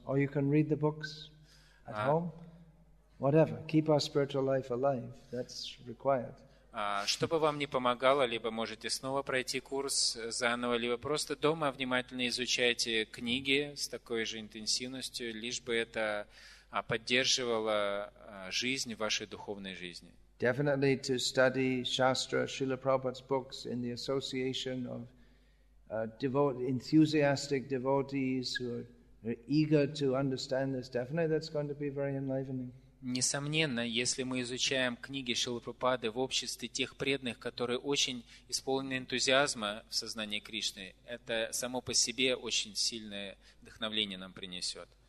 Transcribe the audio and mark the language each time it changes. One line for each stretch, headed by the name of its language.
English: Or you can read the books at home. Whatever. Keep our spiritual life alive. That's required.
Russian: Чтобы вам не помогало, либо можете снова пройти курс заново, либо просто дома внимательно изучайте книги с такой же интенсивностью, лишь бы это поддерживало жизнь в вашей духовной жизни.
English: Definitely to study Shastra, Srila Prabhupada's books in the association of enthusiastic devotees who are eager to understand this. Definitely that's going to be very enlivening.
Russian: Несомненно, если мы изучаем книги Шрилы Прабхупады в обществе тех преданных, которые очень исполнены энтузиазма в сознании Кришны, это само по себе очень сильное вдохновение нам принесет.